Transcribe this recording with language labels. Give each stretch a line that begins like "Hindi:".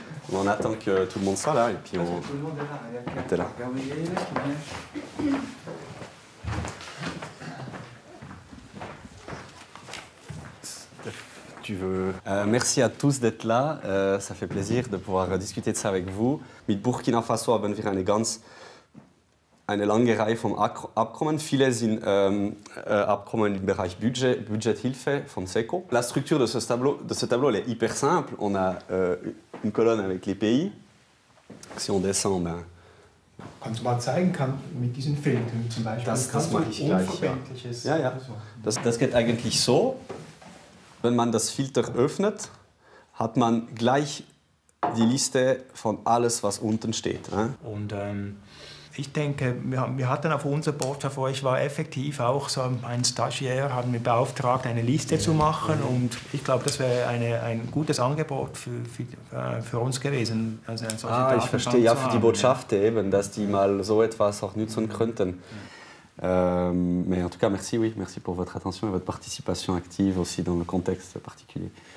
French: On attend que tout le monde soit là et puis on. Tout le monde est là. On était là. Tu veux. Merci à tous d'être là. Ça fait plaisir de pouvoir discuter de ça avec vous.
German: Mit Burkina Faso haben wir eine lange Reihe von Abkommen. Viele sind Abkommen im Bereich Budgethilfe von SECO.
French: La structure de ce tableau elle est hyper simple. On a une colonne avec les pays. Si on descend, ben.
German: Kannst du mal zeigen, kann mit diesen Filtern zum Beispiel. Das mache ich gleich. Ja. Das geht eigentlich so. Wenn man das Filter öffnet, hat man gleich die Liste von alles, was unten steht. Und ich denke, wir hatten auf unser Portfolio, ich war effektiv auch so ein Stagiaire, haben wir beauftragt, eine Liste zu machen. Mhm. Und ich glaube, das wäre ein gutes Angebot für uns gewesen. Also eine solche Datenbank, ich verstehe, ja, für die Botschaft eben, dass die mal so etwas auch nutzen könnten.
French: Mais en tout cas, merci, oui, merci pour votre attention et votre participation active aussi dans le contexte particulier.